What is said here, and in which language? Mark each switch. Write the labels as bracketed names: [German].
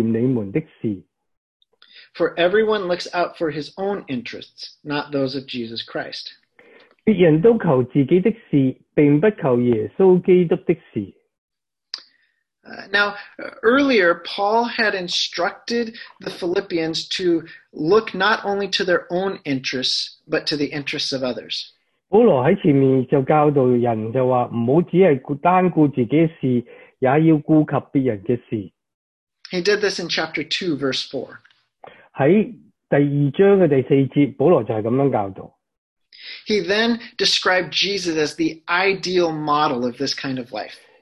[Chinese] 因为我没有别人与我同心，实在挂念你们的事。 [English] For everyone looks out for his own interests, not those of Jesus Christ. [Chinese] 别人都求自己的事，并不求耶稣基督的事。 [English] Now, earlier, Paul had instructed the Philippians to look not only to their own interests, but to the interests of others. [Chinese] 保罗在前面就教导人，就说，不要只是单顾自己的事，也要顾及别人的事。 [English] He did this in chapter 2, verse 4. [Chinese] 在第2章的第4节，保罗就是这样教导。 [English] He then described Jesus as the ideal model of this kind of life.